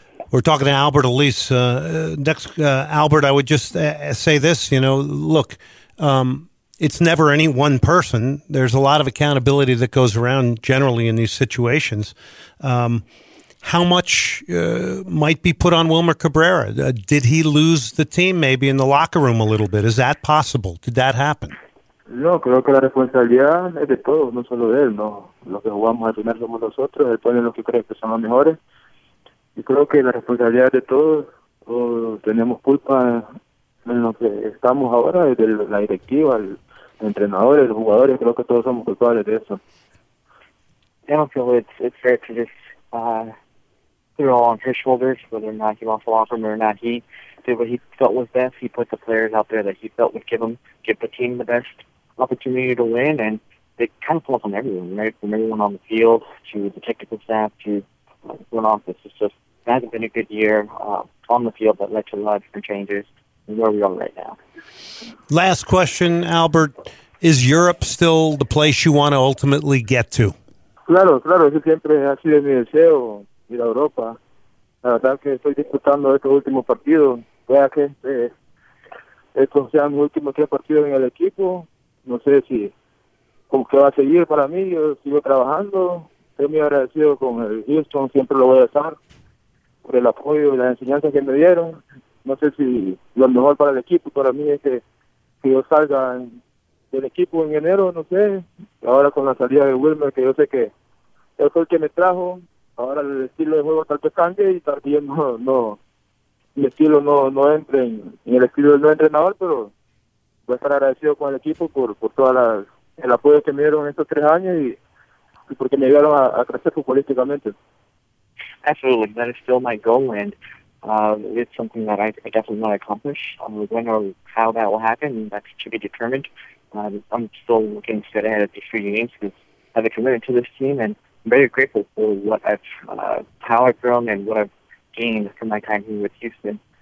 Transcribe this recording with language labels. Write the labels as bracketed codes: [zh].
[en] We're talking to Albert Elise. Albert, I would just say this, you know, look, it's never any one person. There's a lot of accountability that goes around generally in these situations. How much might be put on Wilmer Cabrera? Did he lose the team maybe in the locker room a little bit? Is that possible? Did that happen? [es] No, creo que la responsabilidad es de todos, no solo de él. No, los que jugamos al primer somos nosotros, después de los que creen que son los mejores. Y creo que la responsabilidad es de todos. Tenemos culpa en lo que estamos ahora, desde la directiva, el entrenador, los jugadores, creo que todos somos culpables de eso. [en] I don't feel it's fair to just put it all on his shoulders, whether or not he lost the locker room or not. He did what he felt was best. He put the players out there that he felt would give the team the best opportunity to win, and it kind of falls on everyone, right? From everyone on the field to the technical staff to the front office. It's just, it hasn't been a good year on the field that led to a lot of different changes. Where we are right now. Last question, Albert. Is Europe still the place you want to ultimately get to? [es] Claro, claro. Eso siempre ha sido mi deseo, ir a Europa. La verdad que estoy disputando este último partido. Vea que estos sean los últimos 3 partidos en el equipo. No sé si como que va a seguir para mí. Yo sigo trabajando. Estoy muy agradecido con el Houston. Siempre lo voy a estar por el apoyo y las enseñanzas que me dieron. No sé si lo mejor para el equipo, para mí es que yo salga del equipo en enero, no sé. Ahora con la salida de Wilmer, que yo sé que él fue el que me trajo. Ahora el estilo de juego tal vez cambie y tal vez no, mi estilo no entre en el estilo del nuevo entrenador, pero voy a estar agradecido con el equipo por todo el apoyo que me dieron estos 3 años y porque me ayudaron a crecer futbolísticamente. [en] Absolutely, that is still my goal, and it's something that I definitely want to accomplish. When or how that will happen, that's to be determined. I'm still looking straight ahead at these 3 games because I have a commitment to this team, and I'm very grateful for what how I've grown and what I've gained from my time here with Houston.